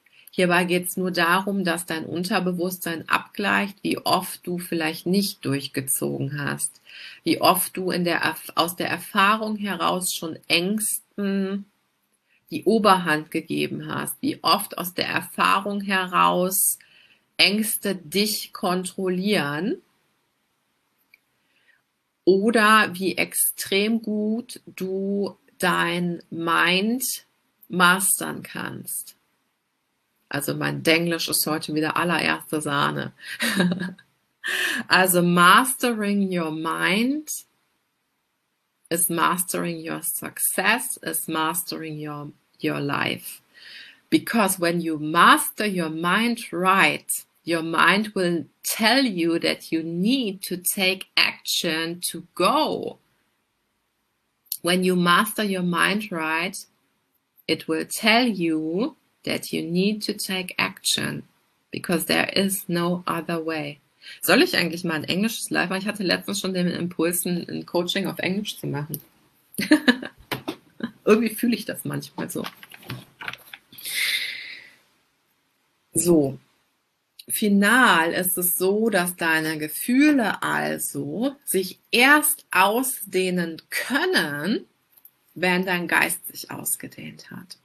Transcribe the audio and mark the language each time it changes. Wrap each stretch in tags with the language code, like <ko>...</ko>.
<de>Hierbei geht es nur darum, dass dein Unterbewusstsein abgleicht, wie oft du vielleicht nicht durchgezogen hast, wie oft du aus der Erfahrung heraus schon Ängsten die Oberhand gegeben hast, wie oft aus der Erfahrung heraus Ängste dich kontrollieren oder wie extrem gut du dein Mind mastern kannst. Also mein Denglisch ist heute wieder allererste Sahne.</de> <en>Also mastering your mind is mastering your success, is mastering your life. Because when you master your mind right, your mind will tell you that you need to take action to go. When you master your mind right, it will tell you that you need to take action, because there is no other way.</en> <de>Soll ich eigentlich mal ein englisches Live machen? Ich hatte letztens schon den Impuls, ein Coaching auf Englisch zu machen. Irgendwie fühle ich das manchmal so. So, final ist es so, dass deine Gefühle also sich erst ausdehnen können, wenn dein Geist sich ausgedehnt hat.</de>